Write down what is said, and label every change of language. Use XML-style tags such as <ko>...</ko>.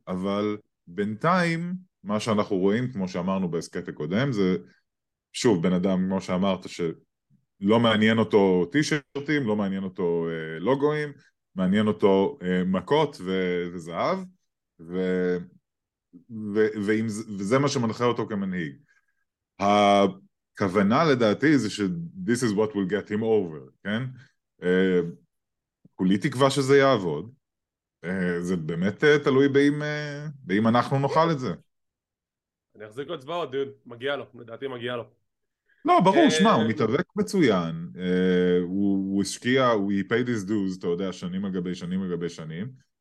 <he>אבל בינתיים, מה שאנחנו רואים, כמו שאמרנו בהסקט הקודם, זה שוב, בן אדם, כמו שאמרת, שלא מעניין אותו טישרטים, לא מעניין אותו לוגויים, מעניין אותו מכות וזהב, וזה מה שמנחה אותו כמנהיג. הכוונה לדעתי זה ש-</he> <en>this is what will get him over,</en> <he>כן? כולי תקווה שזה יעבוד. זה באמת תלוי באם אנחנו נאכל את זה. אני אחזיק לו צבאות, דוד. מגיע לו, לדעתי מגיע לו. לא, ברור, שמה, הוא מתאבק מצוין. הוא השקיע, הוא</he> <en>paid his dues,</en> <he>אתה יודע, שנים על גבי שנים על גבי שנים.</he>